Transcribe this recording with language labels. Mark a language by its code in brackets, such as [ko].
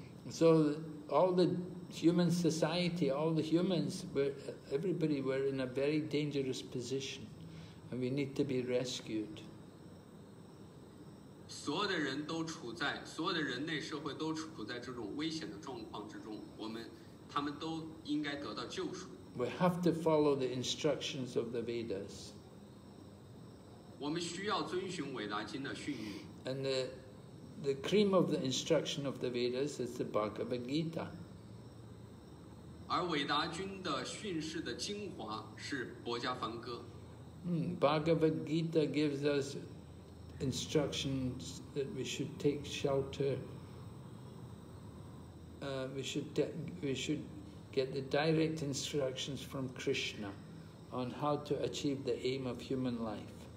[en] So all the human society, all the humans, everybody were in a very dangerous position, and we need to be rescued. [zh] 所有的人类社会都处在这种危险的状况之中，他们都应该得到救赎。 [en] We have to follow the instructions of the Vedas. [zh] 我们需要遵循伟达经的训谕。 [en] And the cream of the instruction of the Vedas is the Bhagavad Gita. [zh] 而伟达经的训示的精华是博迦梵歌。 [en] Bhagavad Gita gives us instructions that we should take shelter. We should get the direct instructions from Krishna on how to achieve the aim of human life.